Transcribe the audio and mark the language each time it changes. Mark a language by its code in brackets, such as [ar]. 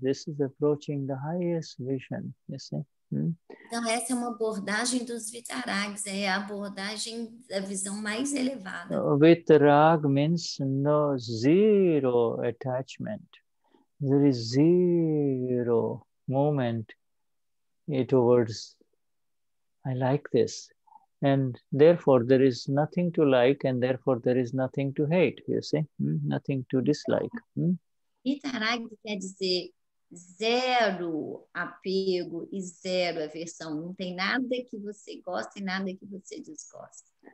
[en] This is approaching the highest vision, you see. [pt] Então, essa é uma abordagem dos Vitaragas, é a abordagem da visão mais elevada. [en] Vitarag means no zero attachment. There is zero movement towards, I like this. And therefore, there is nothing to like, and therefore, there is nothing to hate, you see? Nothing to dislike. [pt] Vitarag quer dizer zero apego e zero aversão. Não tem nada que você goste e nada que você desgoste.